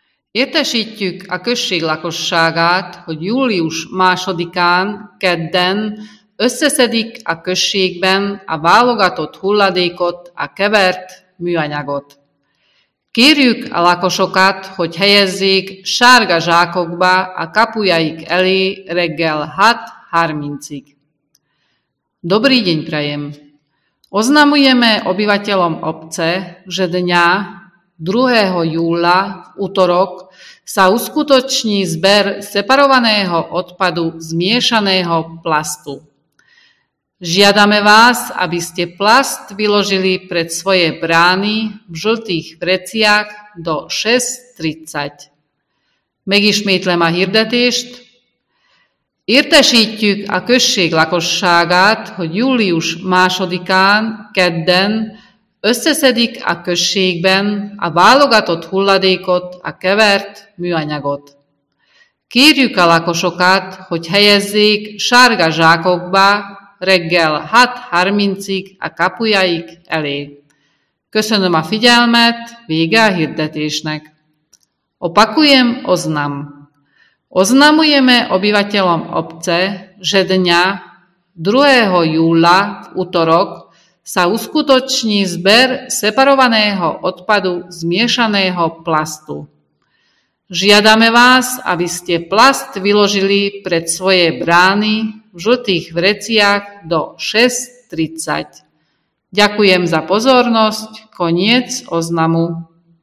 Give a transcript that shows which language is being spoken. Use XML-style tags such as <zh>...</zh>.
<hu>Értesítjük a község lakosságát, hogy július 2-án, kedden összeszedik a községben a válogatott hulladékot, a kevert műanyagot. Kérjük a lakosokat, hogy helyezzék sárga zsákokba a kapujaik elé reggel 6:30-ig.</hu> <sk>Dobrý deň prajem! Oznamujeme obyvateľom obce, že dňa 2. júla v utorok sa uskutoční zber separovaného odpadu zmiešaného plastu. Žiadame vás, aby ste plast vyložili pred svoje brány v žltých vreciach do 6:30.</sk> <hu>Megismétlem a hirdetést. Értesítjük a község lakosságát, hogy július 2-án, kedden összeszedik a községben a válogatott hulladékot, a kevert műanyagot. Kérjük a lakosokat, hogy helyezzék sárga zsákokba reggel 6:30-ig a kapujaik elé. Köszönöm a figyelmet, vége a hirdetésnek.</hu> <sk>Opakujem oznam. Oznamujeme obyvateľom obce, že dňa 2. júla v utorok sa uskutoční zber separovaného odpadu zmiešaného plastu. Žiadame vás, aby ste plast vyložili pred svoje brány v žltých vreciach do 6:30. Ďakujem za pozornosť. Koniec oznamu.</sk>